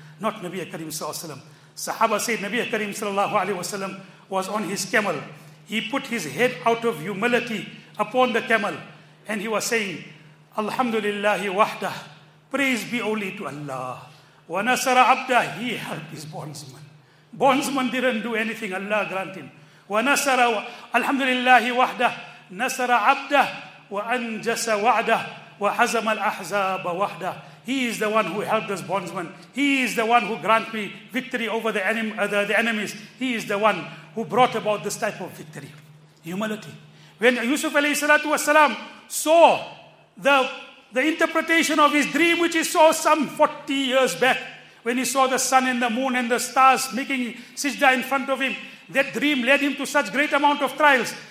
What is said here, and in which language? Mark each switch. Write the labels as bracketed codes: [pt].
[en] Not Nabi Kareem sallallahu alayhi wa sallam. Sahaba said Nabi Kareem sallallahu alayhi wa sallam was on his camel. He put his head out of humility upon the camel. And he was saying, [ar] "Alhamdulillahi wahdah. [en] Praise be only to Allah. [ar] وَنَصَرَ عَبْدَهُ [en] He helped his bondsman. Bondsman didn't do anything, Allah grant him. [ar] وَنَصَرَ الْحَمْدُ لِلَّهِ وَحْدَهُ نَصَرَ عَبْدَهُ وَأَنْجَسَ وَعْدَهُ وَحَزَمَ الْأَحْزَابَ وَحْدَهُ [en] He is the one who helped us, bondsman. He is the one who granted me victory over the enemies. He is the one who brought about this type of victory. Humility. When Yusuf alayhi salatu wasalam saw the interpretation of his dream, which he saw some 40 years back, when he saw the sun and the moon and the stars making sijda in front of him, that dream led him to such great amount of trials.